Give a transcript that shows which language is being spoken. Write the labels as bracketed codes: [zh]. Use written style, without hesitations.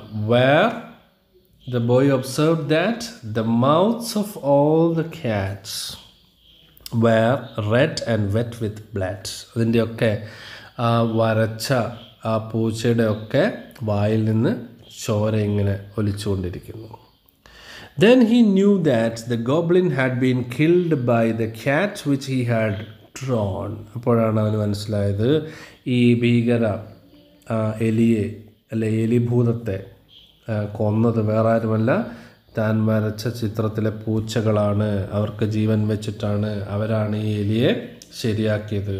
[en] Where the boy observed that the mouths of all the cats were red and wet with blood. [ml] അതിൻ്റെയൊക്കെ ആ വരച്ച ആ പൂച്ചയുടെയൊക്കെ വായിൽ നിന്ന് ചോര ഇങ്ങനെ ഒലിച്ചുകൊണ്ടിരിക്കുന്നു. [en] Then he knew that the goblin had been killed by the cat which he had drawn. [ml] അപ്പോഴാണ് അവന് മനസ്സിലായത് ഈ ഭീകര എലിയെ, അല്ലെ, എലിഭൂതത്തെ കൊന്നത് വേറെ ആരുമല്ല, താൻ വരച്ച ചിത്രത്തിലെ പൂച്ചകളാണ്. അവർക്ക് ജീവൻ വെച്ചിട്ടാണ് അവരാണ് ഈ എലിയെ ശരിയാക്കിയത്.